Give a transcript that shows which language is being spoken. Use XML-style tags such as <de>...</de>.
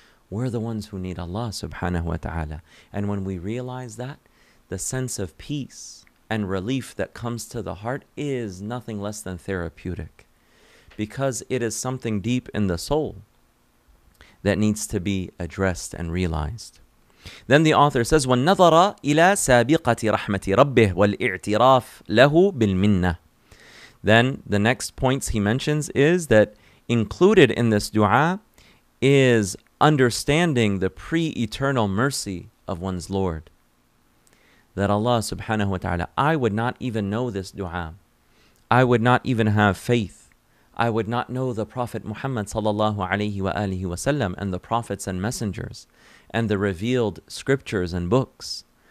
<en>We're the ones who need Allah subhanahu wa ta'ala. And when we realize that, the sense of peace and relief that comes to the heart is nothing less than therapeutic. Because it is something deep in the soul that needs to be addressed and realized. Then the author says,</en> <ar>وَالنَّظَرَ إِلَى سَابِقَةِ رَحْمَةِ رَبِّهِ وَالْإِعْتِرَافِ لَهُ بِالْمِنَّةِ.</ar> <en>Then the next points he mentions is that included in this dua is understanding the pre-eternal mercy of one's Lord. That Allah subhanahu wa ta'ala, I would not even know this dua. I would not even have faith. I would not know the Prophet Muhammad sallallahu alayhi wa alihi wa sallam and the prophets and messengers and the revealed scriptures and books.</en>